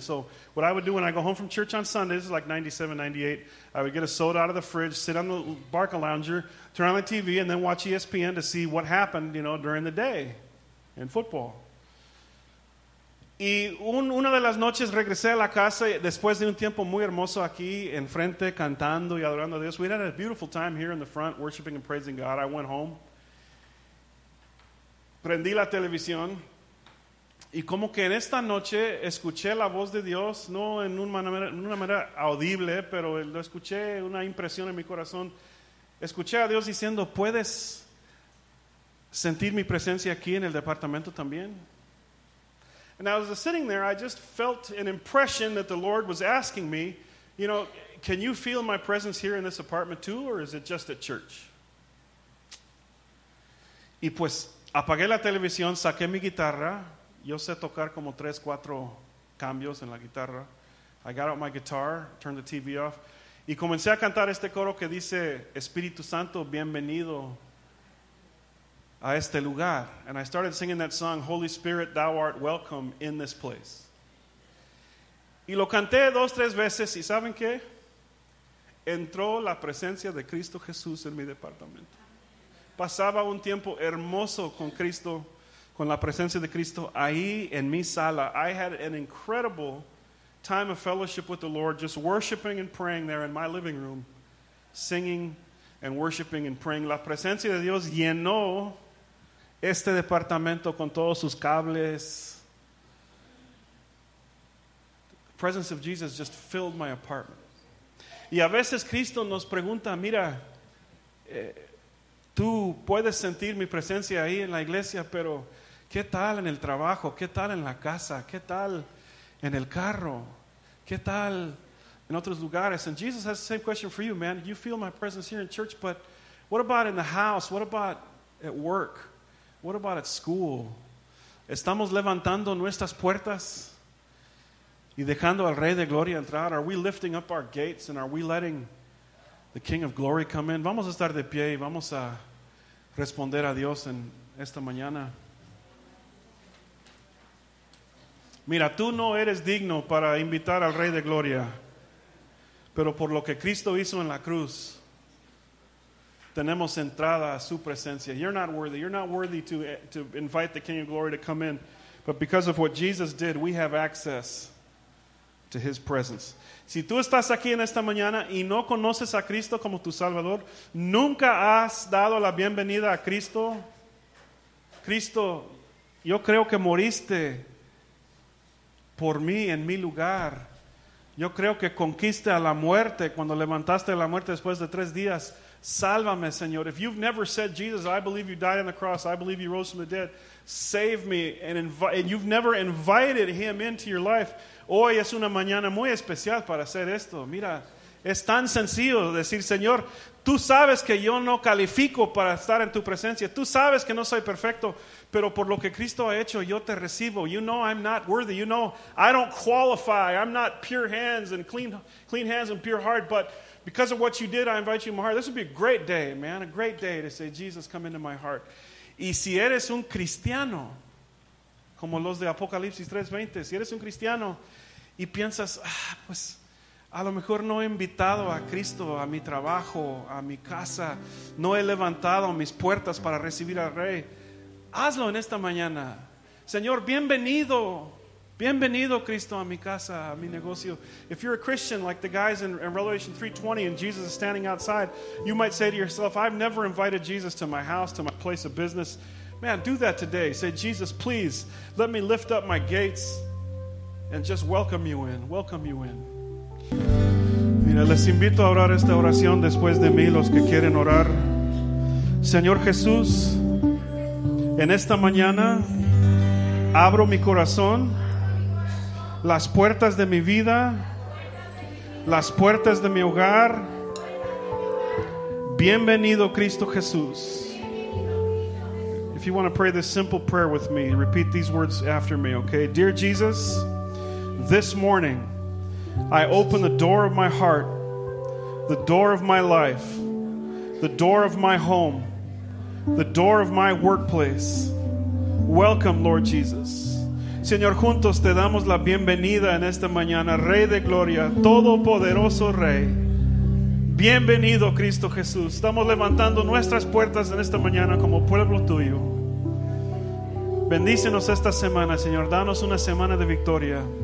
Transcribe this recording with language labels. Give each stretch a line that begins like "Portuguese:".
English: So what I would do when I go home from church on Sunday, this is like 97, 98, I would get a soda out of the fridge, sit on the barca lounger, turn on the TV, and then watch ESPN to see what happened, you know, during the day in football.
Spanish: Y una de las noches regresé a la casa después de un tiempo muy hermoso aquí enfrente cantando y adorando a Dios.
English: We had a beautiful time here in the front worshiping and praising God. I went home.
Spanish: Prendí la televisión y como que en esta noche escuché la voz de Dios, no en una manera audible, pero lo escuché, una impresión en mi corazón. Escuché a Dios diciendo, ¿puedes sentir mi presencia aquí en el departamento también?
English: And as I was sitting there, I just felt an impression that the Lord was asking me, you know, can you feel my presence here in this apartment too, or is it just at church?
Spanish: Y pues apagué la televisión, saqué mi guitarra. Yo sé tocar como 3-4 cambios en la guitarra.
English: I got out my guitar, turned the TV off.
Spanish: Y comencé a cantar este coro que dice, Espíritu Santo, bienvenido a este lugar.
English: And I started singing that song, Holy Spirit, thou art welcome in this place.
Spanish: Y lo canté 2-3 veces y ¿saben qué? Entró la presencia de Cristo Jesús en mi departamento. Pasaba un tiempo hermoso con Cristo, con la presencia de Cristo ahí en mi sala.
English: I had an incredible time of fellowship with the Lord, just worshiping and praying there in my living room, singing and worshiping and praying.
Spanish: La presencia de Dios llenó este departamento con todos sus cables.
English: The presence of Jesus just filled my apartment.
Spanish: Y a veces Cristo nos pregunta, mira, tú puedes sentir mi presencia ahí en la iglesia, pero ¿qué tal en el trabajo? ¿Qué tal en la casa? ¿Qué tal en el carro? ¿Qué tal en otros lugares?
English: And Jesus has the same question for you, man. You feel my presence here in church, but what about in the house? What about at work? What about at school?
Spanish: ¿Estamos levantando nuestras puertas y dejando al Rey de Gloria entrar?
English: Are we lifting up our gates and are we letting the King of Glory come in?
Spanish: Vamos a estar de pie y vamos a responder a Dios en esta mañana. Mira, tú no eres digno para invitar al Rey de Gloria, pero por lo que Cristo hizo en la cruz, tenemos entrada a su presencia.
English: You're not worthy. You're not worthy to invite the King of Glory to come in. But because of what Jesus did, we have access to his presence.
Spanish: Si tú estás aquí en esta mañana y no conoces a Cristo como tu Salvador, nunca has dado la bienvenida a Cristo. Cristo Yo creo que moriste por mí en mi lugar. Yo creo que conquiste a la muerte cuando levantaste a la muerte después de tres días. Sálvame, Señor.
English: If you've never said, Jesus, I believe you died on the cross, I believe you rose from the dead, save me, and you've never invited him into your life,
Spanish: hoy es una mañana muy especial para hacer esto. Mira, es tan sencillo decir, Señor, tú sabes que yo no califico para estar en tu presencia. Tú sabes que no soy perfecto, pero por lo que Cristo ha hecho, yo te recibo.
English: You know I'm not worthy. You know I don't qualify. I'm not pure hands and clean hands and pure heart, but because of what you did, I invite you in my heart. This would be a great day, man, a great day to say, Jesus, come into my heart.
Spanish: Y si eres un cristiano, como los de Apocalipsis 3:20, si eres un cristiano y piensas, pues a lo mejor no he invitado a Cristo a mi trabajo, a mi casa, no he levantado mis puertas para recibir al Rey, hazlo en esta mañana. Señor, bienvenido. Bienvenido Cristo a mi casa, a mi negocio.
English: If you're a Christian like the guys in Revelation 3:20 and Jesus is standing outside, you might say to yourself, I've never invited Jesus to my house, to my place of business. Man, do that today. Say, Jesus, please, let me lift up my gates and just welcome you in. Welcome you in.
Spanish: Mira, les invito a orar esta oración después de mí, los que quieren orar. Señor Jesús, en esta mañana abro mi corazón, las puertas de mi vida, las puertas de mi hogar. Bienvenido Cristo Jesús.
English: If you want to pray this simple prayer with me, repeat these words after me, okay? Dear Jesus, this morning I open the door of my heart, the door of my life, the door of my home, the door of my workplace. Welcome, Lord Jesus.
Spanish: Señor, juntos te damos la bienvenida en esta mañana, Rey de Gloria, Todopoderoso Rey. Bienvenido, Cristo Jesús. Estamos levantando nuestras puertas en esta mañana como pueblo tuyo. Bendícenos esta semana, Señor. Danos una semana de victoria.